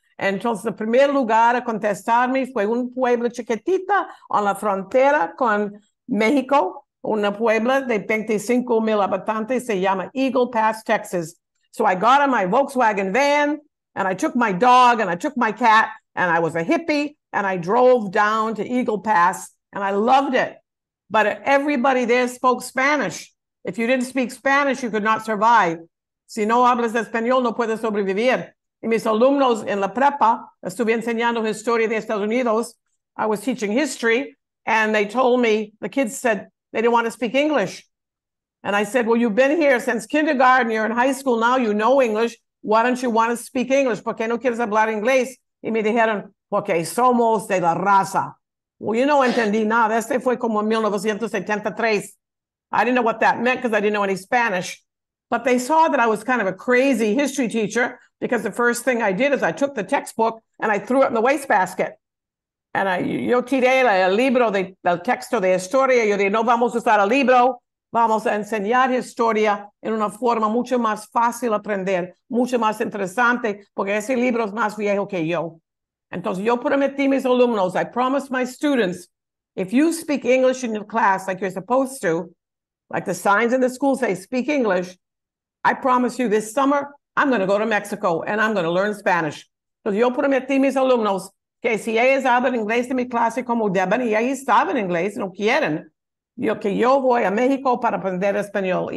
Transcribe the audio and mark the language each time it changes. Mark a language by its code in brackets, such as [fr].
[es] Entonces, el primer lugar a contestarme fue un pueblo chiquitita en la frontera con México, una puebla de 25 mil habitantes, se llama Eagle Pass, Texas. [en] So I got in my Volkswagen van, and I took my dog, and I took my cat, and I was a hippie, and I drove down to Eagle Pass, and I loved it. But everybody there spoke Spanish. If you didn't speak Spanish, you could not survive. [es] Si no hablas español, no puedes sobrevivir. Y mis alumnos en la prepa, estuve enseñando historia de Estados Unidos. [en] I was teaching history, and they told me, the kids said, they didn't want to speak English. And I said, well, you've been here since kindergarten. You're in high school now. You know English. Why don't you want to speak English? [es] ¿Por qué no quieres hablar inglés? Y me dijeron, porque somos de la raza. [en] Well, you know, [es] entendí nada. Este fue como 1973. [en] I didn't know what that meant because I didn't know any Spanish. But they saw that I was kind of a crazy history teacher because the first thing I did is I took the textbook and I threw it in the wastebasket. And I, [es] yo tiré el libro del texto de historia. Yo dije, no vamos a usar el libro. Vamos a enseñar historia en una forma mucho más fácil aprender, mucho más interesante, porque ese libro es más viejo que yo. Entonces, yo prometí mis alumnos, [en] I promised my students, if you speak English in your class like you're supposed to, like the signs in the school say, speak English, I promise you this summer, I'm going to go to Mexico and I'm going to learn Spanish. [es] Entonces, yo prometí mis alumnos que si ellos hablan inglés en mi clase como deben y ellos saben inglés, no quieren. Yo que yo voy a México para aprender español.